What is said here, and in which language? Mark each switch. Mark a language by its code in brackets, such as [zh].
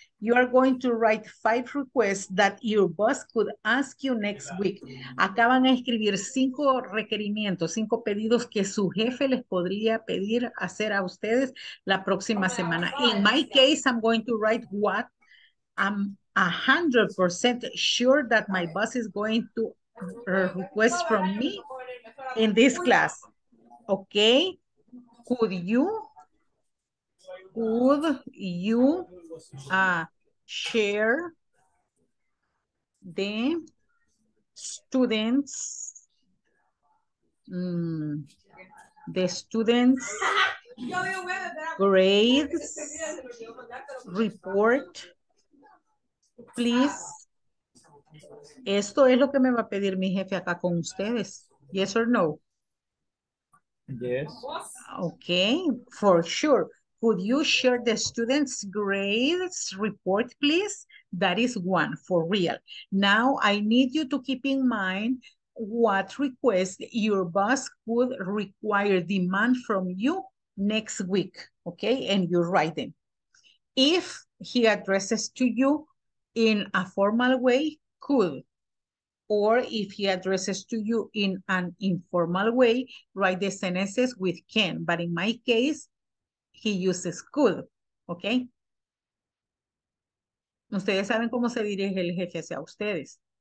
[en] You are going to write 5 requests that your boss could ask you next week. [es] Acaban a escribir 5 requerimientos, 5 pedidos que su jefe les podría pedir hacer a ustedes la próxima semana. [en] In my case, I'm going to write what I'm 100% sure that my boss is going to request from me in this class. Okay. Could you share the students, grades report, please? [es] Esto es lo que me va a pedir mi jefe acá con ustedes. [en] Yes or no? Yes. Okay, for sure. Could you share the students' grades report, please? That is one, for real. Now, I need you to keep in mind what request your boss could require, demand from you next week, okay? And you write them. If he addresses to you in a formal way, could. Or if he addresses to you in an informal way, write the sentences with can. But in my case, he uses could. ¿Ok? [es] Ustedes saben cómo se dirige el jefe hacia ustedes.